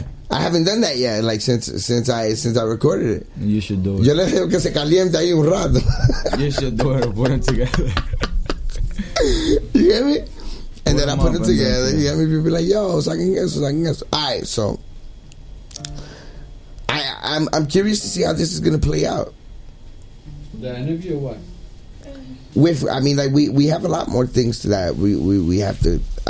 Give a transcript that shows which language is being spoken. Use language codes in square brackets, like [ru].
[en] I haven't done that yet, like since I recorded it. You should do it. [es] Yo le digo que se caliente ahí un rato. [en] You should do it. Put them together. You get me? And put then I put it together. You get me? People be like, yo, so I can guess. All right, so I'm curious to see how this is going to play out. The interview or what? We have a lot more things to that. We have to.